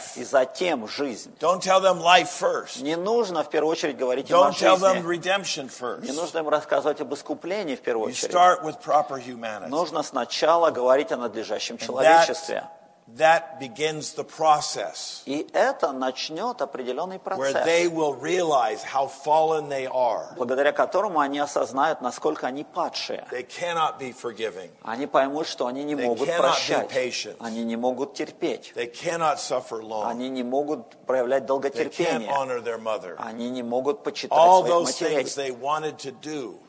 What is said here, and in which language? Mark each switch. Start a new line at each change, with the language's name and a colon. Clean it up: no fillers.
Russian: И затем жизнь. Не нужно в первую очередь говорить им о жизни. Не нужно им рассказывать об искуплении в первую очередь. Нужно сначала говорить о надлежащем человечестве.
English: that begins the process.
Russian: И это начнёт определённый процесс.
English: Where they will realize how fallen they are.
Russian: Благодаря которому они осознают, насколько они падшие.
English: They cannot be forgiving.
Russian: Они поймут, что они не могут прощать.
English: They cannot be patient.
Russian: Они не могут терпеть.
English: They cannot suffer long.
Russian: Они не могут проявлять долготерпение.
English: They can't honor their mother.
Russian: Они не могут почитать своих матерей.
English: All those things they wanted to do.